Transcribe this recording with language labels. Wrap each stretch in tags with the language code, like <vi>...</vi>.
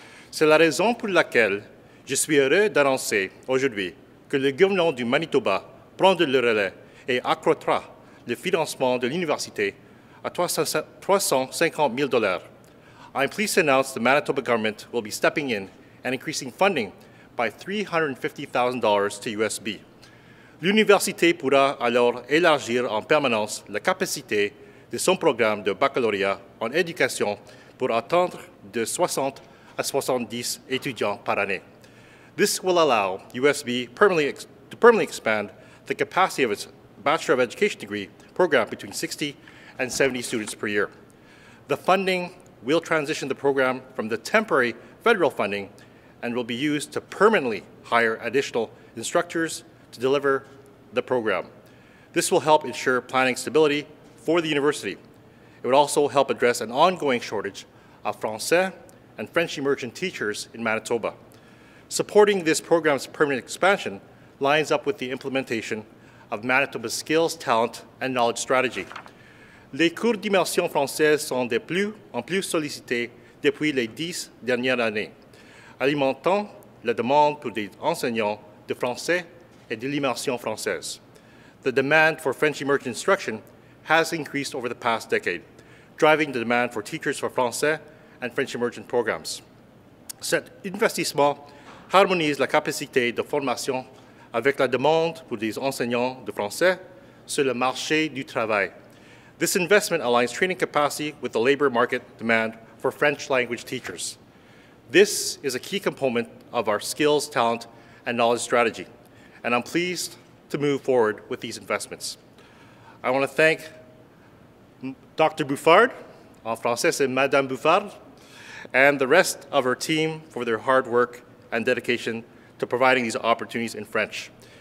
<fr>C'est la raison pour laquelle je suis heureux d'annoncer aujourd'hui que le gouvernement du Manitoba prendra le relais et accroîtra le financement de l'université à $350,000.</fr> <en>I'm pleased to announce the Manitoba government will be stepping in and increasing funding by $350,000 to USB.</en> <fr>L'université pourra alors élargir en permanence la capacité de son programme de baccalauréat en éducation pour atteindre de 60 à 70 étudiants par année.</fr> <en>This will allow USB to permanently expand the capacity of its Bachelor of Education degree program between 60 and 70 students per year. The funding will transition the program from the temporary federal funding and will be used to permanently hire additional instructors to deliver the program. This will help ensure planning stability for the university. It would also help address an ongoing shortage of Francais and French immersion teachers in Manitoba. Supporting this program's permanent expansion lines up with the implementation of Manitoba's skills, talent, and knowledge strategy.</en> <fr>Les cours d'immersion française sont de plus en plus sollicités depuis les 10 dernières années, alimentant la demande pour des enseignants de français et de l'immersion française.</fr> <en>The demand for French immersion instruction has increased over the past decade, driving the demand for teachers for français and French immersion programs.</en> <fr>Cet investissement harmonise la capacité de formation avec la demande pour des enseignants de français sur le marché du travail.</fr> <en>This investment aligns training capacity with the labor market demand for French language teachers. This is a key component of our skills, talent, and knowledge strategy, and I'm pleased to move forward with these investments. I want to thank Dr. Bouffard,</en> <fr>en français c'est Madame Bouffard,</fr> <en>and the rest of her team for their hard work and dedication to providing these opportunities in French.</en>